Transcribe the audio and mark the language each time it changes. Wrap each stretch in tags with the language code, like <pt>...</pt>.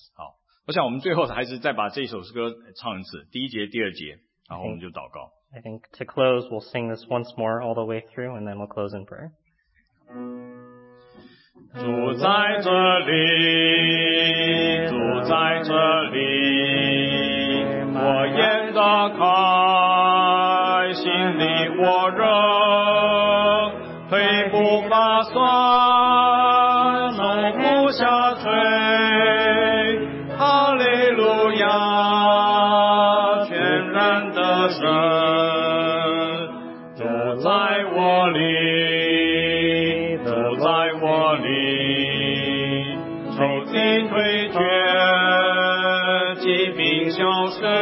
<zh>好, 我想我们最后还是再把这首诗歌唱一次, 第一节第二节, 然后我们就祷告。</zh> <en>I think to close, we'll sing this once more all the way through, and then we'll close in prayer.</en> <zh>主在这里, 主在这里, 我眼打开， 心里火热，肺腑发酸， 手不下垂， 哈利路亚， 全然的神， 主在我里， 主在我里， 愁心退却， 疾病消失，</zh>